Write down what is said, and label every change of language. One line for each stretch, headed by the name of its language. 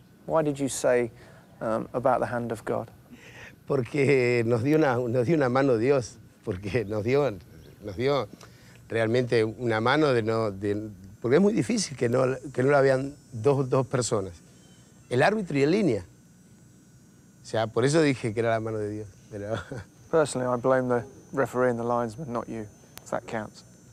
English: Why did you say about the hand of God?
Spanish: Porque nos dio una mano Dios, porque nos dio realmente una mano porque es muy difícil que no la vean dos personas, el árbitro y el línea. O sea, por eso dije que era la mano de Dios. Pero...
English: Personally, I blame the referee and the linesman, not you, if that counts.